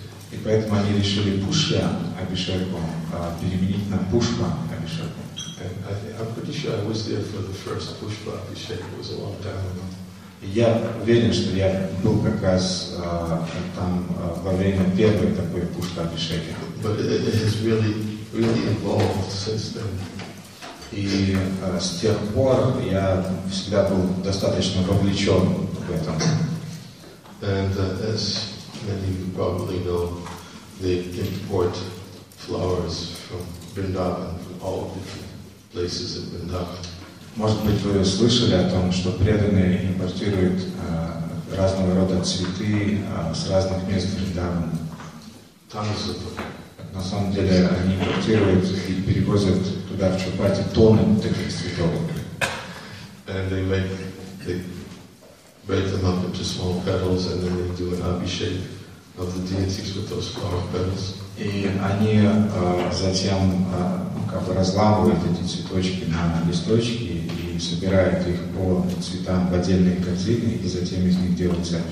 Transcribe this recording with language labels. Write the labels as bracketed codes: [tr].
[ru] И поэтому они решили «пушья» Абишеку переменить на «пушпа» Абишеку. [en] I'm pretty sure I was there for the first Pushpa Abhishek. It was a long time ago. [ru] Я уверен, что я был как раз там во время первой такой Pushpa Abhishek. [en] But it has really, really evolved since then. [ru] И с тех пор я всегда был достаточно вовлечен в этом. [en] And as many of you probably know, they import flowers from Vrindavan, from all of the places in Vrindavan. [ru] Может быть, вы слышали о том, что преданные импортируют разного рода цветы с разных мест Вриндавана. [en] Tons of them. [ru] На самом деле, они импортируют и перевозят туда, в Чхапати, тонны таких цветов. [en] And they break them up into small petals, and then they do an abhishek of the deities with those flower petals. [ru] И они затем как бы разламывают эти цветочки на листочки и собирают их по цветам в отдельные корзины и затем из них делают